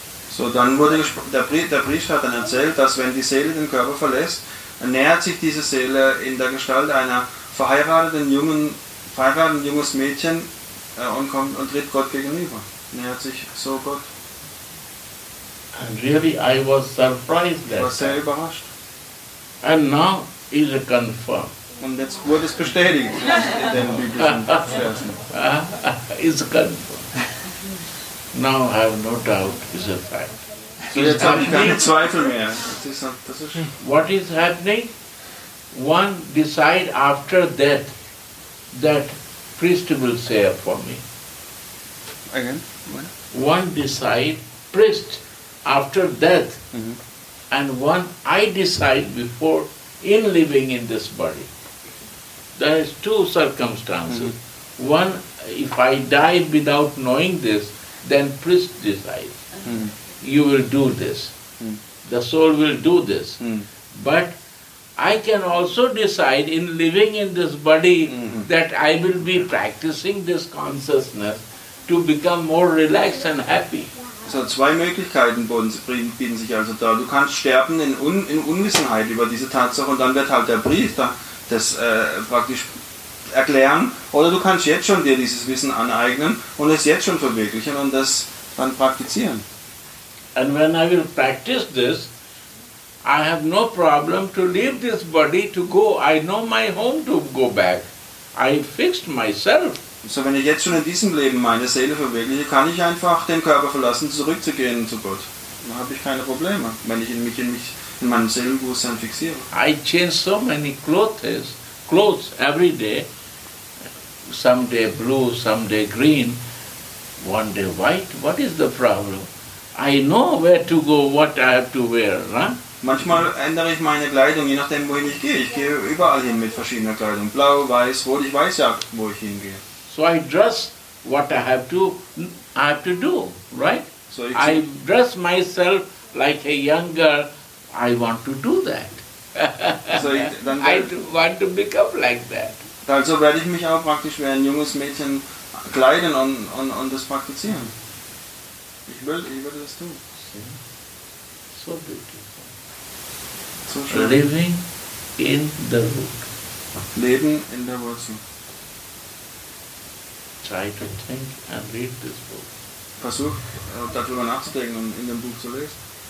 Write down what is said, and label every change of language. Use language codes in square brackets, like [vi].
[de] So dann wurde der Priester hat dann erzählt, dass wenn die Seele den Körper verlässt, nähert sich diese Seele in der Gestalt einer verheirateten junges Mädchen und kommt und tritt Gott gegenüber. Nähert sich so Gott. [en] And really I was surprised that. [de] Ich war sehr überrascht. [en] And now is it confirmed. [de] Und jetzt wurde es bestätigt in den biblischen Versen. [en] Is confirmed. Now I have no doubt is a fact. [de] So jetzt habe ich keine Zweifel mehr. Das ist [en] what is happening? One decide after death that priest will say for me. Again? What? One decide expressed after death, and one I decide before in living in this body. There is two circumstances. One, if I die without knowing this, then priest decides, you will do this. The soul will do this. But I can also decide in living in this body that I will be practicing this consciousness to become more relaxed and happy. [de] So zwei Möglichkeiten bieten sich also da. Du kannst sterben in Unwissenheit über diese Tatsache und dann wird halt der Priester das praktisch erklären. Oder du kannst jetzt schon dir dieses Wissen aneignen und es jetzt schon verwirklichen und das dann praktizieren. [en] And when I will practice this, I have no problem to leave this body to go. I know my home to go back. I fixed myself. [de] So wenn ich jetzt schon in diesem Leben meine Seele verwirkliche, kann ich einfach den Körper verlassen, zurückzugehen zu Gott. Dann habe ich keine Probleme, wenn ich mich in meinem Seelenbewusstsein fixiere. [en] I change so many clothes every day. Some day blue, some day green, one day white. What is the problem? I know where to go, what I have to wear, huh? [de] Manchmal ändere ich meine Kleidung, je nachdem, wohin ich gehe. Ich gehe überall hin mit verschiedener Kleidung. Blau, weiß, rot, ich weiß ja, wo ich hingehe. [en] So I dress what I have to do, right? So I dress myself like a young girl. I want to do that. I want to become like that. [de] Also werde ich mich auch praktisch wie ein junges Mädchen kleiden und das praktizieren. Ich will das tun. [en] So beautiful. [de] So schön. [en] Living in the root. [de] Leben in der Wurzel. [en] Try to think and read this book. [de] Versuch darüber nachzudenken und in dem Buch zu lesen.